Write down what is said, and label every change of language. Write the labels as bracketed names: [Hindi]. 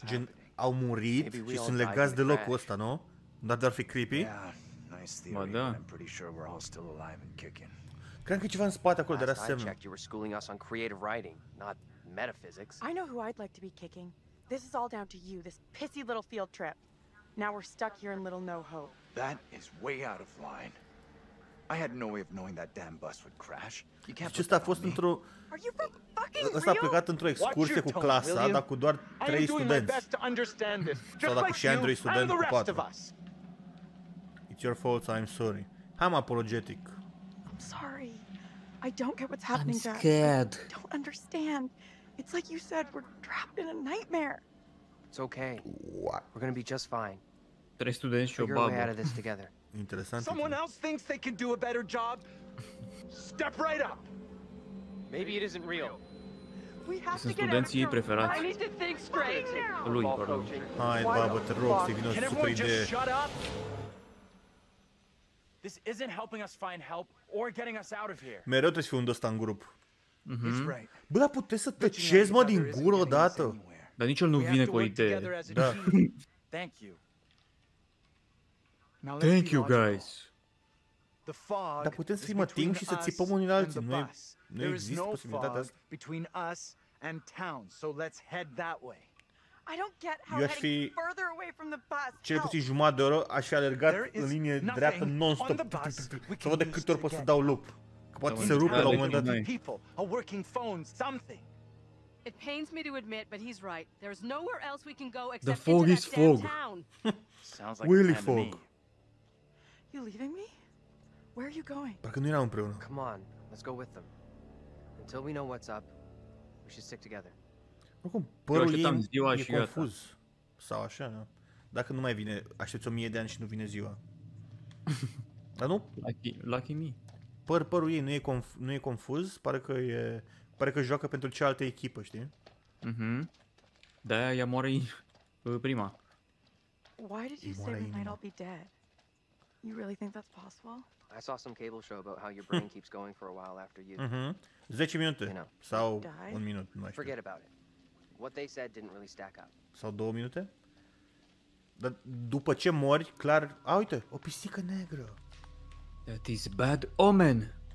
[Romanian] happening. Au murit și sunt legați deloc cu ăsta, nu? Dar ar fi creepy? [English] Yeah, nice theory, and I'm pretty sure we're all still alive and kicking. [Romanian] Cred că ceva în spate acolo, dar asemenea. [English] I checked, you were schooling us on creative writing, not metaphysics. I know who I'd like to be kicking. This is all down to you, this pissy little field trip. Now we're stuck here in little no hope. That is way out of line. I had no way of knowing that damn bus would crash. You can't just have [Romanian] fost într-o... [English] Are you from fucking real? [Romanian] Ăsta a plecat într-o excursie cu clasa, dar cu doar 3 studenți. [English] I'm doing my best to understand this. [Romanian] Sau dacă și Andrei student cu 4. [English] It's your fault, I'm sorry. I'm apologetic. I'm sorry. I don't get what's happening, Jack. I'm scared. I don't understand. It's like you said, we're trapped in a nightmare. It's okay. What? We're gonna be just fine. [Romanian] 3 studenți și o babă. [English] Figure our way out of this together. [Romanian] Interesant. [English] Someone else thinks they can do a better job. Step right up. Maybe it isn't real. We have [Romanian] sunt studenții preferați. [English] I need to think straight. [Romanian] Lui, pardon. Hai, babă, te rog, să vină super idee. [English] This isn't helping us find help or getting us out of here. [Romanian] Mereu trebuie să fiu unul ăsta în grup. Mhm. Bă, dar puteți să tăcezi, mă, din gură o dată. Dar nici el nu vine cu o idee. Da. [English] Thank you. Thank you, guys. The fog. [Romanian] Dar putem să fim ating și să țipăm unii la alții. Nu, nu există posibilitatea asta. [English] Between us and town, so let's head that way. I don't get how heading further away from the bus. [Romanian] Cel puțin jumătate de oră aș fi alergat în linie dreaptă non-stop. Să văd de câte ori pot să dau loop. Că poate se rupe la un moment dat. [English] It pains me to admit, but he's right. There's nowhere else we can go except the fog is fog. Sounds like really fog. You leaving me? Where are you going? [Romanian] Parcă nu eram împreună. [English] Come on, let's go with them. Until we know what's up, we should stick together. [Romanian] Oricum, părul ei ziua e confuz. Iată. Sau așa, nu? Dacă nu mai vine, aștepți 1000 de ani și nu vine ziua. Dar nu? [English] Lucky me. [Romanian] Părul ei nu e confuz, pare că joacă pentru cealaltă echipă, știi? Mhm. De-aia ea moare prima. [English] Why did you say we might all be dead? You really think that's possible? I saw some cable show about how your brain keeps going for a while after you. [Romanian] Mhm. 10 minute. [English] You know, [Romanian] sau 1 minut, nu mai știu. [English] Forget about it. What they said didn't really stack up. [Romanian] Sau 2 minute? Dar după ce mori, clar, uite, o pisică neagră. [English] That is bad omen.